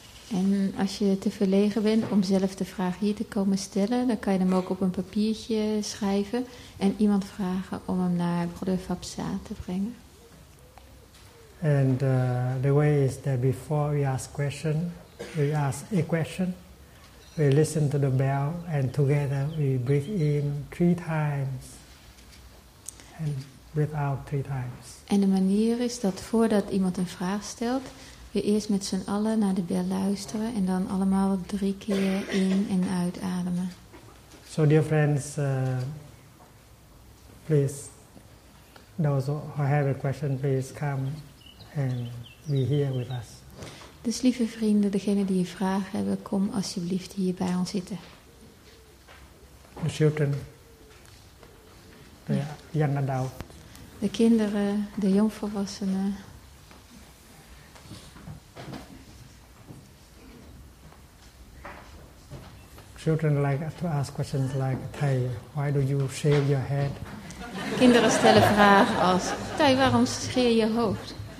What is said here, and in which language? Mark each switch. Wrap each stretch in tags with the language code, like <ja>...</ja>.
<nl>En als je te verlegen bent om zelf de vraag hier te komen stellen, dan kan je hem ook op een papiertje schrijven en iemand vragen om hem naar Brother Vapsa te brengen.</nl> <en>And the way is that before we ask question, we ask a question. We listen to the bell and together we breathe in 3 times and breathe out 3 times.</en> <nl>En de manier is dat voordat iemand een vraag stelt, we eerst met z'n allen naar de bel luisteren en dan allemaal 3 keer in en uit ademen.</nl> <en>So dear friends, please, those who have a question, please come and be here with us.</en> <nl>Dus lieve vrienden, degenen die een vraag hebben, kom alsjeblieft hier bij ons zitten.</nl> <en>The children, the young adult.</en> <nl>De kinderen, de jongvolwassenen.</nl> <en>Children like to ask questions like, Tai, why do you shave your head?</en> <nl>Kinderen stellen vragen als, Tai, waarom scheer je hoofd?</nl>